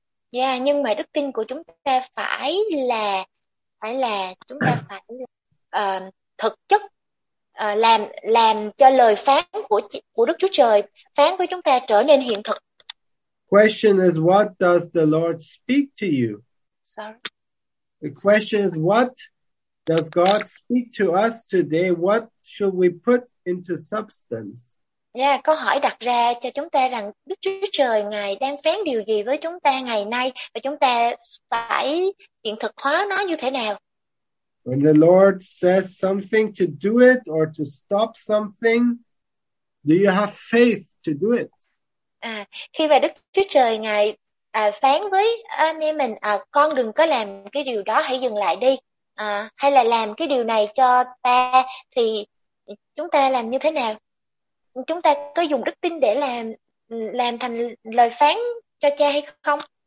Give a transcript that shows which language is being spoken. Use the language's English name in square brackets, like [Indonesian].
[Vietnamese] Yeah, nhưng mà đức tin của chúng ta phải là chúng ta phải thực chất làm cho lời phán của Đức Chúa Trời phán với chúng ta trở nên hiện thực. [English] Question is, what does the Lord speak to you? Sorry. The question is, what does God speak to us today? What should we put into substance? [Vietnamese] Yeah, câu hỏi đặt ra cho chúng ta rằng Đức Chúa Trời Ngài đang phán điều gì với chúng ta ngày nay và chúng ta phải hiện thực hóa nó như thế nào? [English] When the Lord says something to do it or to stop something, do you have faith to do it? [Vietnamese] À, khi mà Đức Chúa Trời Ngài phán với anh em mình, con đừng có làm cái điều đó, hãy dừng lại đi, hay là làm cái điều này cho ta, thì chúng ta làm như thế nào? Chúng ta có dùng đức tin để làm thành lời phán cho cha hay không?